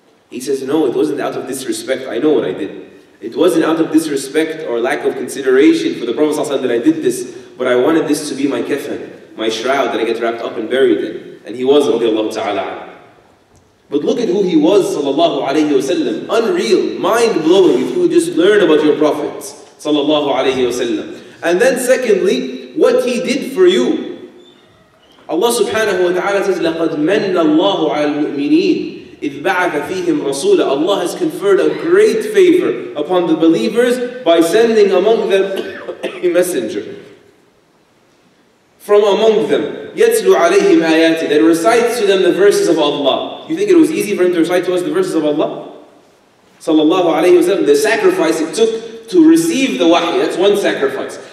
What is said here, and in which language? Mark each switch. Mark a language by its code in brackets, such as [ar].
[en] He says, no, it wasn't out of disrespect. I know what I did. It wasn't out of disrespect or lack of consideration for the Prophet ﷺ that I did this, but I wanted this to be my kafan, my shroud that I get wrapped up and buried in. And he was, radiallahu ta'ala. But look at who he was, sallallahu alayhi wa sallam. Unreal, mind-blowing, if you would just learn about your Prophet, sallallahu alayhi wa sallam. And then secondly, what he did for you. Allah subhanahu wa ta'ala says, [ar] لَقَدْ مَنَّ اللَّهُ عَلَى الْمُؤْمِنِينَ إِذْ بَعَثَ فِيهِمْ رَسُولًا. [en] Allah has conferred a great favor upon the believers by sending among them a messenger. From among them, [ar] يَتْلُ عَلَيْهِمْ آيَاتِ, [en] that recites to them the verses of Allah. You think it was easy for him to recite to us the verses of Allah? Sallallahu alayhi wa sallam, the sacrifice it took to receive the wahi, that's one sacrifice.